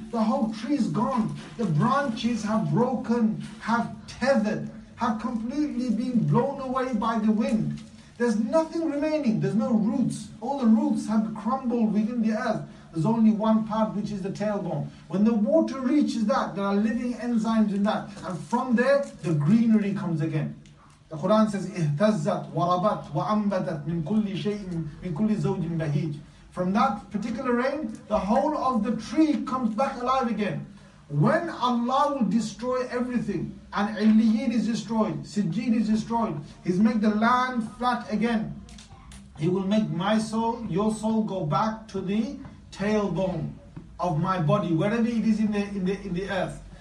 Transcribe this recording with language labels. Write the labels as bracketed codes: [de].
[en] The whole tree is gone. The branches have broken, have tethered, have completely been blown away by the wind. There's nothing remaining. There's no roots. All the roots have crumbled within the earth. There's only one part, which is the tailbone. When the water reaches that, there are living enzymes in that. And from there, the greenery comes again. The Quran says, [ar] اِهْتَزَّتْ وَرَبَتْ وَأَنْبَتَتْ مِنْ كُلِّ شَيْءٍ مِنْ كُلِّ زَوْجٍ بَهِيجٍ. [en] From that particular rain, the whole of the tree comes back alive again. When Allah will destroy everything, and Illiyin is destroyed, Sijjin is destroyed, He's made the land flat again, He will make my soul, your soul, go back to the tailbone of my body, wherever it is in the earth.